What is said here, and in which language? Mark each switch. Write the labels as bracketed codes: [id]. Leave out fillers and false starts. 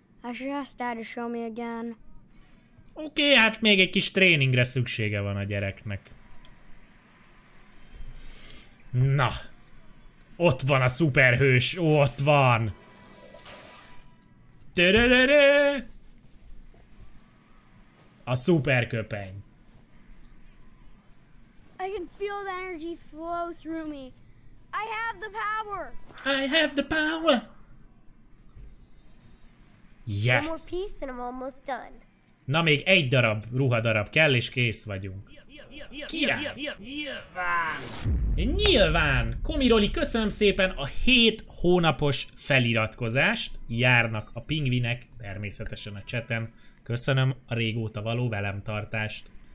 [en] I should ask dad to show me again. [hu] Oké, hát még egy kis tréningre szüksége van a gyereknek. Na. Ott van a szuperhős. Ott van. Tö-tö-tö-tö! A szuperköpeny. [en] I can feel the energy flow through me. I have the power. I have the power. Yes. One more piece and I'm almost done. [hu] Na még egy darab ruhadarab kell és kész vagyunk. Király! Nyilván! Komiroli, köszönöm szépen a 7 hónapos feliratkozást. Járnak a pingvinek, természetesen a cseten. Köszönöm a régóta való velem tartást.